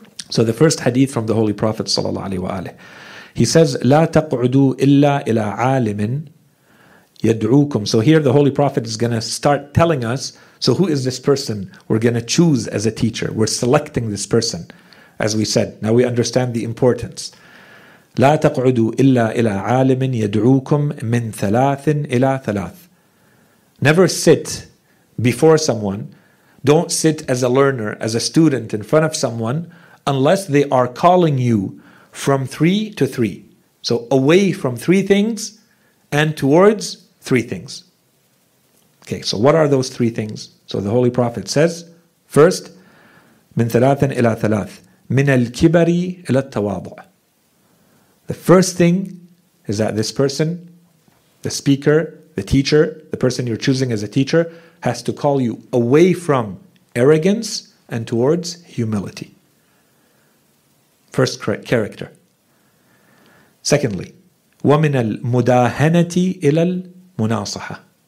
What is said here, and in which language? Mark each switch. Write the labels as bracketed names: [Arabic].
[English] So the first hadith from the Holy Prophet sallallahu alaihi wa alihi, he says, [Arabic] "La taq'udu illa ila 'alimin." [English] So here the Holy Prophet is going to start telling us, so who is this person we're going to choose as a teacher? We're selecting this person, as we said. Now we understand the importance. [Arabic] لا تقعدوا إلا إلى عالم يدعوكم من ثلاث إلى ثلاث. [English] Never sit before someone. Don't sit as a learner, as a student in front of someone, unless they are calling you from three to three. So away from three things and towards three things. Okay, so what are those three things? So the Holy Prophet says, first, [Arabic] من ثلاثا إلى ثلاث من الكبر إلى التواضع. [English] The first thing is that this person, the speaker, the teacher, the person you're choosing as a teacher, has to call you away from arrogance and towards humility. First character. Secondly, [Arabic] وَمِنَ الْمُدَاهَنَةِ إِلَى الْمُنَاصَحَةِ.